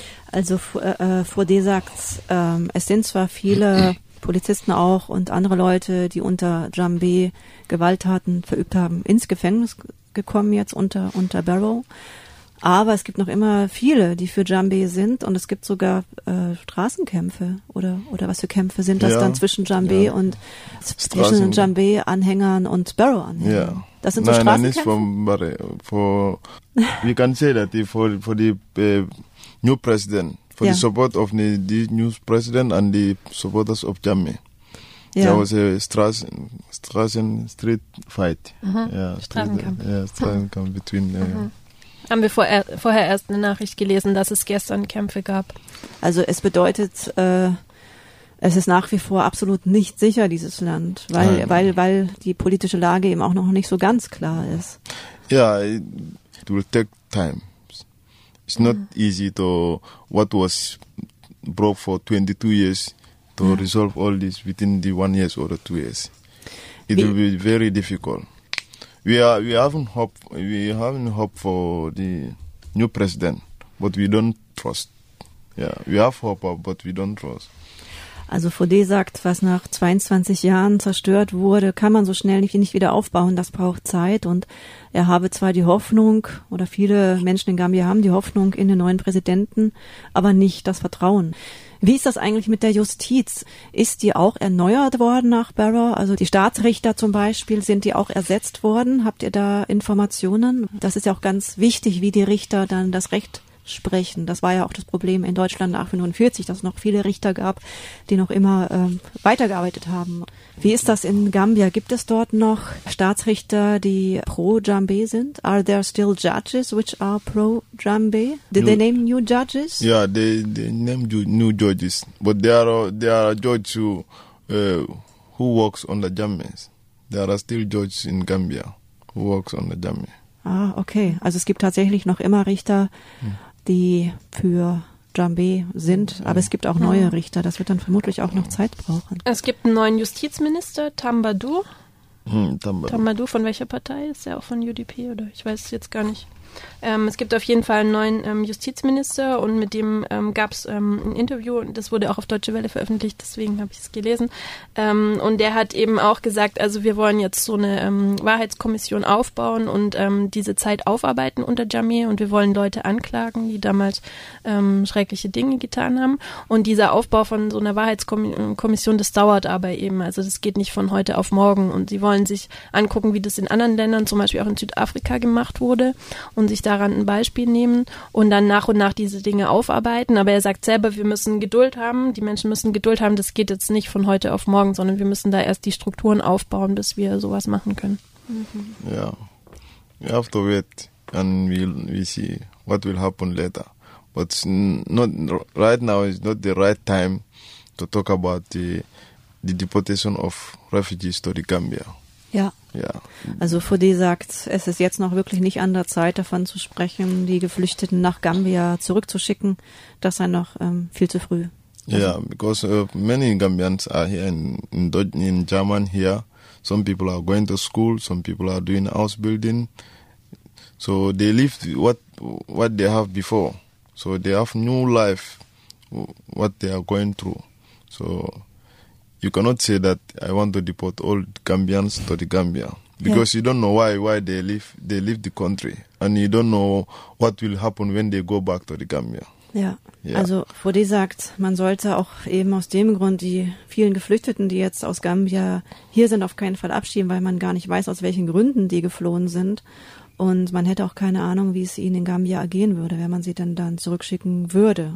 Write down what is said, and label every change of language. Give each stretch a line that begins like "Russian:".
German: Also Frode sagt, es sind zwar viele Polizisten auch und andere Leute, die unter Jambi Gewalttaten verübt haben, ins Gefängnis gekommen jetzt unter Barrow. Aber es gibt noch immer viele, die für Jambi sind und es gibt sogar Straßenkämpfe oder was für Kämpfe sind das dann zwischen Jambi und zwischen Jambi-Anhängern und Barrow-Anhängern?
English: Yeah.
German: Das sind so Straßenkämpfe? Nein, nicht von Barrow.
English: You can say that for the new president, for the support of the new president and the supporters of Jambi. Yeah. There was a street fight. Uh-huh. Yeah, Straßenkampf. Straßenkampf between the... Uh-huh.
German: Haben wir vorher erst eine Nachricht gelesen, dass es gestern Kämpfe gab. Also es bedeutet, es ist nach wie vor absolut nicht sicher, dieses Land, weil die politische Lage eben auch noch nicht so ganz klar ist.
English: Ja, it will take time. It's not easy to what was broke for 22 years to resolve all this within the 1 year or 2 years. It will be very difficult. We haven't hope for the new president, but we don't trust. Yeah, we have hope, but we don't trust.
German: Also Fode sagt, was nach 22 Jahren zerstört wurde, kann man so schnell nicht wieder aufbauen. Das braucht Zeit. Und er habe zwar die Hoffnung, oder viele Menschen in Gambia haben die Hoffnung in den neuen Präsidenten, aber nicht das Vertrauen. Wie ist das eigentlich mit der Justiz? Ist die auch erneuert worden nach Barrow? Also die Staatsrichter zum Beispiel, sind die auch ersetzt worden? Habt ihr da Informationen? Das ist ja auch ganz wichtig, wie die Richter dann das Recht sprechen. Das war ja auch das Problem in Deutschland nach 1945, dass es noch viele Richter gab, die noch immer weitergearbeitet haben. Wie ist das in Gambia? Gibt es dort noch Staatsrichter, die pro Jambi sind?
English: Are there still judges which are pro Jambi? Did they name new judges? Yeah, they name new judges, but there are judges who works on the Jambi. There are still judges in Gambia who works on the Jambi. Ah, okay.
German: Also es gibt tatsächlich noch immer Richter, die für Jambi sind, aber es gibt auch neue Richter. Das wird dann vermutlich auch noch Zeit brauchen. Es gibt einen neuen Justizminister, Tambadou. Tambadou, von welcher Partei? Ist er auch von UDP oder ich weiß es jetzt gar nicht. Es gibt auf jeden Fall einen neuen Justizminister und mit dem gab es ein Interview und das wurde auch auf Deutsche Welle veröffentlicht, deswegen habe ich es gelesen. Und der hat eben auch gesagt, also wir wollen jetzt so eine Wahrheitskommission aufbauen und diese Zeit aufarbeiten unter Jambi und wir wollen Leute anklagen, die damals schreckliche Dinge getan haben. Und dieser Aufbau von so einer Wahrheitskommission, das dauert aber eben, also das geht nicht von heute auf morgen. Und sie wollen sich angucken, wie das in anderen Ländern, zum Beispiel auch in Südafrika gemacht wurde, und sich daran ein Beispiel nehmen und dann nach und nach diese Dinge aufarbeiten. Aber er sagt selber, wir müssen Geduld haben, die Menschen müssen Geduld haben, das geht jetzt nicht von heute auf morgen, sondern wir müssen da erst die Strukturen aufbauen, bis wir sowas machen können.
English: Ja, we have to wait and we see what will happen later. But not right now is not the right time to talk about the deportation of refugees to the Gambia.
German: Ja. Ja. Also Fode sagt, es ist jetzt noch wirklich nicht an der Zeit, davon zu sprechen, die Geflüchteten nach Gambia zurückzuschicken. Das sei noch viel zu früh.
English: Ja, because many Gambians are here in German here. Some people are going to school, some people are doing housebuilding. So they live what they have before. So they have new life, what they are going through. So you cannot say that I want to deport all Gambians to the Gambia because you don't know why they leave the country and you don't know what will happen when they go back to the Gambia.
German: Ja. Also Fode sagt, man sollte auch eben aus dem Grund die vielen Geflüchteten, die jetzt aus Gambia hier sind, auf keinen Fall abschieben, weil man gar nicht weiß, aus welchen Gründen die geflohen sind. Und man hätte auch keine Ahnung, wie es ihnen in Gambia ergehen würde, wenn man sie denn dann zurückschicken würde.